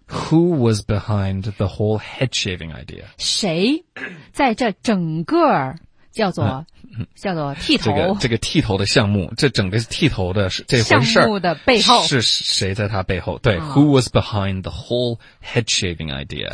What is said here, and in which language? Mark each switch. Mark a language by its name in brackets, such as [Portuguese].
[English] Who was behind the whole head shaving idea? [Chinese] 谁在这整个叫做叫做剃头。这个剃头的项目，这整个剃头的这回事项目的背后是谁在他背后？ [English] 对、Who was behind the whole head shaving idea？